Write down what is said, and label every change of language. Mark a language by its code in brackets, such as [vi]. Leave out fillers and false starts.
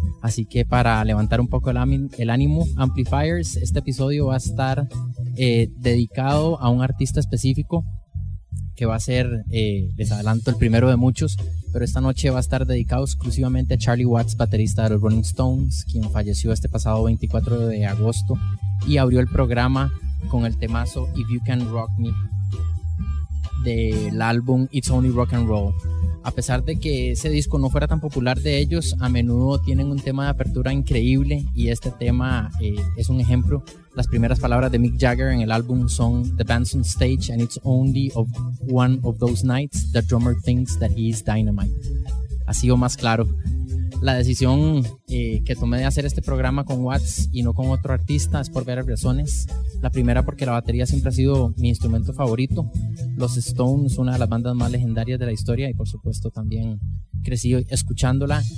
[es] Así que para levantar un poco el ánimo, Amplifiers, este episodio va a estar dedicado a un artista específico que va a ser, les adelanto, el primero de muchos, pero esta noche va a estar dedicado exclusivamente a Charlie Watts, baterista de los Rolling Stones, quien falleció este pasado 24 de agosto y abrió el programa con el temazo If You Can Rock Me. del álbum It's Only Rock and Roll. A pesar de que ese disco no fuera tan popular de ellos, a menudo tienen un tema de apertura increíble y este tema es un ejemplo. Las primeras palabras de Mick Jagger en el álbum son [en] "The band's on stage and it's only of one of those nights the drummer thinks that he is dynamite." [es] Así o más claro. La decisión que tomé de hacer este programa con Watts y no con otro artista es por varias razones. La primera, porque la batería siempre ha sido mi instrumento favorito. Los Stones, una de las bandas más legendarias de la historia, y por supuesto también crecí escuchándola.